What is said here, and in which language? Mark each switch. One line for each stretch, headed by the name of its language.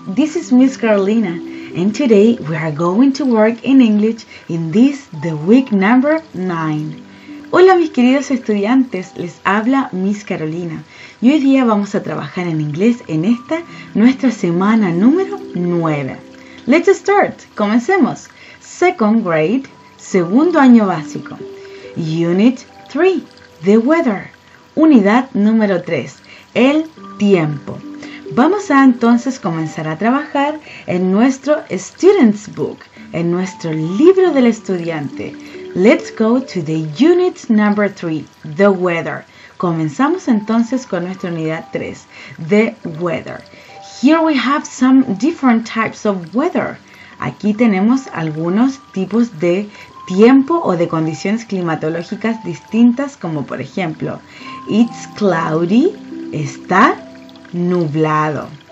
English: This is Miss Carolina, and today we are going to work in English in this, the week number 9.
Spanish: Hola, mis queridos estudiantes. Les habla Miss Carolina. Y hoy día vamos a trabajar en inglés en esta, nuestra semana número 9.
English: Let's start.
Spanish: Comencemos.
English: Second grade,
Spanish: segundo año básico.
English: Unit 3, the weather.
Spanish: Unidad número 3, el tiempo. Vamos a entonces comenzar a trabajar en nuestro student's book, en nuestro libro del estudiante.
English: Let's go to the unit number 3, the weather.
Spanish: Comenzamos entonces con nuestra unidad 3,
English: the weather. Here we have some different types of weather.
Spanish: Aquí tenemos algunos tipos de tiempo o de condiciones climatológicas distintas, como por ejemplo,
English: it's cloudy,
Spanish: está nublado.